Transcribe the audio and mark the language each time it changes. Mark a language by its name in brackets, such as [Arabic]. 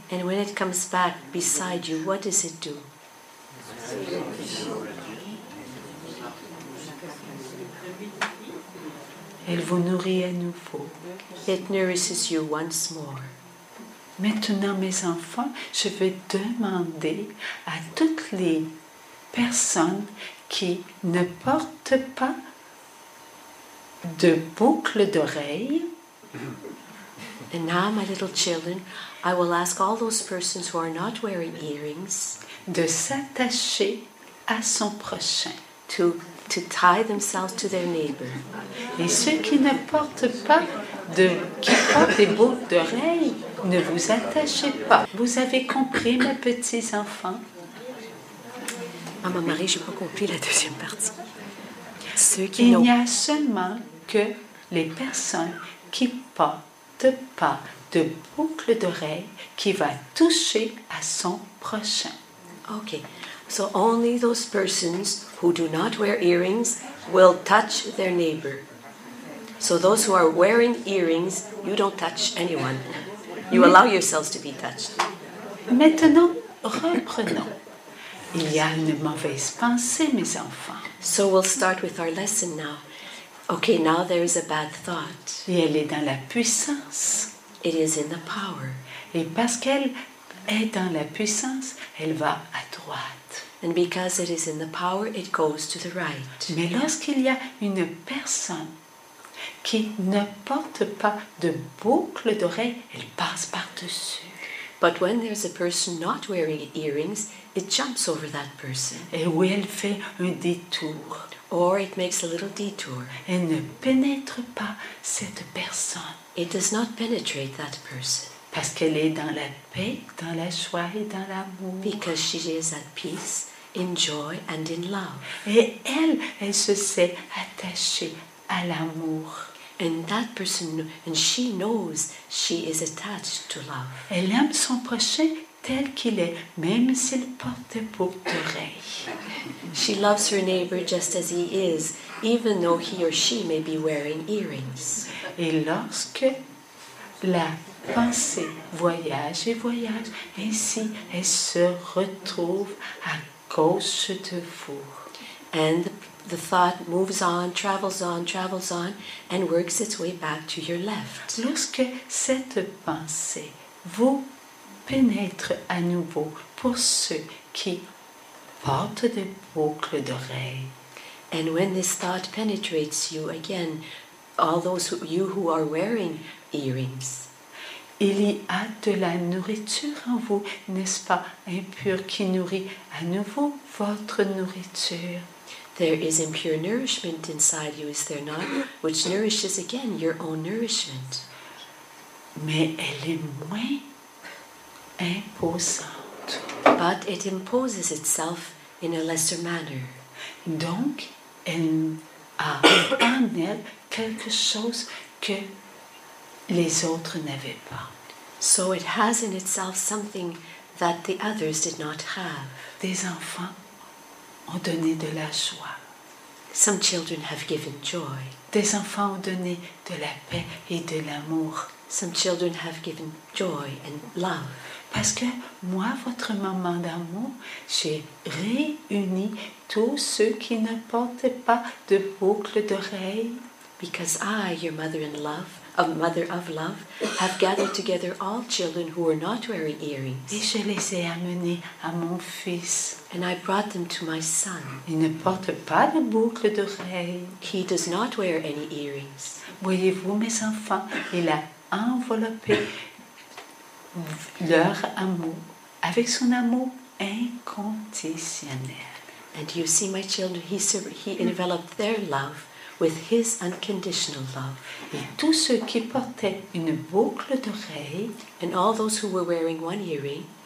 [English] And when it comes back beside you, what does it do? [French] Elle vous nourrit à nouveau. [English] It nourishes you once more. [French] Maintenant, mes enfants, je vais demander à toutes les personnes qui ne portent pas de boucle d'oreille. [English] And now, my little children, I will ask all those persons who are not wearing earrings [French] de s'attacher à son prochain. [English] To tie themselves to their neighbor. [French] Et ceux qui ne portent pas de, qui portent des boucles d'oreilles, ne vous attachez pas. Vous avez compris, mes petits enfants? Maman Marie, je n'ai pas compris la deuxième partie. Ceux qui n'ont... Il n'y a seulement que les personnes qui portent pas de boucles d'oreilles qui va toucher à son prochain. OK. [English] So only those persons who do not wear earrings will touch their neighbor. So those who are wearing earrings, you don't touch anyone. You allow yourselves to be touched. [French] Maintenant, reprenons. Il y a une mauvaise pensée, mes enfants. [English] So we'll start with our lesson now. Okay, now there is a bad thought. [French] Et elle est dans la puissance. [English] It is in the power. [French] Et parce qu'elle est dans la puissance, elle va à droite. [English] And because it is in the power, it goes to the right. [French] Mais lorsqu'il y a une personne qui ne porte pas de boucle d'oreille, elle passe par-dessus. [English] But when there's a person not wearing earrings, it jumps over that person. [French] Et où elle fait un détour. [English] Or it makes a little detour. [French] Et ne pénètre pas cette personne. [English] It does not penetrate that person. [French] Parce qu'elle est dans la paix, dans la joie et dans l'amour. [English] Because she is at peace, in joy and in love. [French] Et elle se sait attachée à l'amour. [English] And that person, and she knows she is attached to love. [French] Elle aime son prochain tel qu'il est, même s'il porte boucle d'oreille. [English] She loves her neighbor just as he is, even though he or she may be wearing earrings. [French] Et lorsque la pensée voyage et voyage, ainsi elle se retrouve à gauche de vous. [English] And The thought moves on, travels on, travels on, and works its way back to your left. [French] Lorsque cette pensée vous pénètre à nouveau, pour ceux qui portent des boucles d'oreilles. [English] And when this thought penetrates you again, all those of you who are wearing earrings. [French] Il y a de la nourriture en vous, n'est-ce pas, impure, qui nourrit à nouveau votre nourriture. [English] There is impure nourishment inside you, is there not, which nourishes again your own nourishment. [French] Mais elle est moins imposante. [English] But it imposes itself in a lesser manner. [French] Donc, elle a en elle quelque chose que les autres n'avaient pas. [English] So it has in itself something that the others did not have. [French] Des enfants ont donné de la joie. [English] Some children have given joy. [French] Des enfants ont donné de la paix et de l'amour. [English] Some children have given joy and love. [French] Parce que moi, votre maman d'amour, j'ai réuni tous ceux qui ne portaient pas de boucles d'oreilles. [English] Because I, your mother in love, a mother of love, have gathered together all children who were not wearing earrings. [French] Et je les ai amenés à mon fils. [English] And I brought them to my son. [French] Il ne porte pas de boucles d'oreilles. [English] He does not wear any earrings. [French] Voyez-vous, mes enfants, il a enveloppé leur amour avec son amour inconditionnel. [English] And you see, my children, he enveloped their love with his unconditional love. [French] Et tous ceux qui portaient une boucle d'oreille, [English] and all those who were wearing one earring,